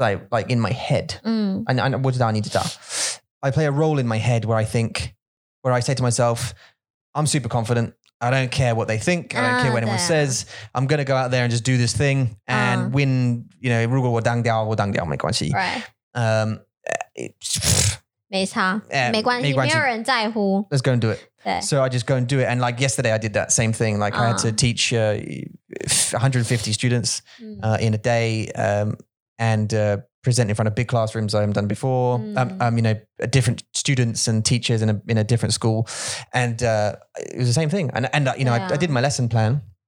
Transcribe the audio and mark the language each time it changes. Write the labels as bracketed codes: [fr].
[en] Like in my head, and what did I need to do? I play a role in my head where I say to myself, I'm super confident. I don't care what they think. I don't care what anyone says. I'm going to go out there and just do this thing and win, you know, [zh] 如果我当掉,我当掉,没关系。 [en] Right. It's, [zh] 没差,没关系,没有人在乎。 [en] Let's go and do it. So I just go and do it. And like yesterday I did that same thing. Like I had to teach 150 students in a day and present in front of big classrooms I haven't done before. You know, different students and teachers in a different school. And it was the same thing. And you know, I did my lesson plan.